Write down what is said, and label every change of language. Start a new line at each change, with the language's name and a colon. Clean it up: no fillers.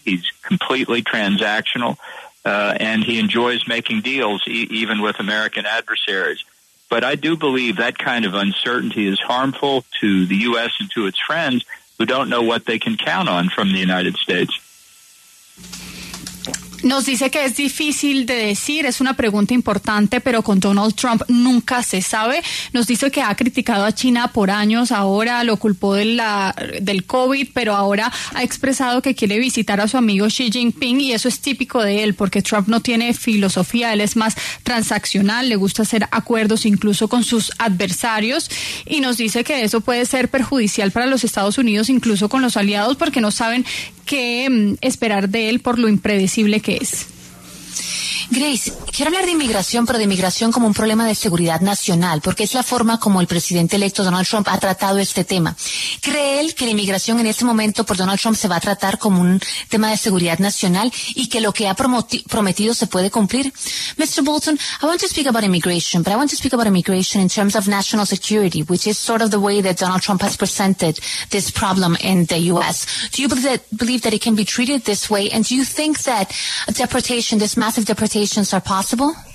English: He's completely transactional, and he enjoys making deals even with American adversaries. But I do believe that kind of uncertainty is harmful to the U.S. and to its friends, who don't know what they can count on from the United States.
Spanish: Nos dice que es difícil de decir, es una pregunta importante, pero con Donald Trump nunca se sabe. Nos dice que ha criticado a China por años, ahora lo culpó del COVID, pero ahora ha expresado que quiere visitar a su amigo Xi Jinping, y eso es típico de él, porque Trump no tiene filosofía, él es más transaccional, le gusta hacer acuerdos incluso con sus adversarios, y nos dice que eso puede ser perjudicial para los Estados Unidos, incluso con los aliados, porque no saben qué esperar de él por lo impredecible que es. Grace, quiero hablar de inmigración, pero de inmigración como un problema de seguridad nacional, porque es la forma como el presidente electo Donald Trump ha tratado este tema. ¿Cree él que la inmigración en este momento por Donald Trump se va a tratar como un tema de seguridad nacional y que lo que ha prometido se puede cumplir?
English: Mr. Bolton, I want to speak about immigration, but I want to speak about immigration in terms of national security, which is sort of the way that Donald Trump has presented this problem in the U.S. Do you believe that it can be treated this way, and do you think that deportation, this massive deportations are possible?